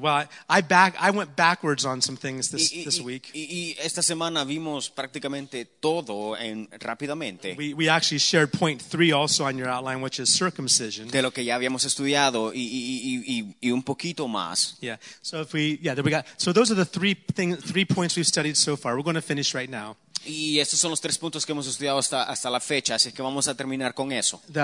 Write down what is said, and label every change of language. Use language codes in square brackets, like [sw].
[en] Well, I went backwards on some things this week. [es] Y esta semana vimos prácticamente todo en rápidamente. [en] We actually shared point 3 also on your outline, which is circumcision. [es] De lo que ya habíamos estudiado y un poquito más. [en] Yeah. So if we there we got. So those are the three points we've studied so far. We're going to finish right now. [es] Y estos son los tres puntos que hemos estudiado hasta la fecha, así que vamos a terminar con eso.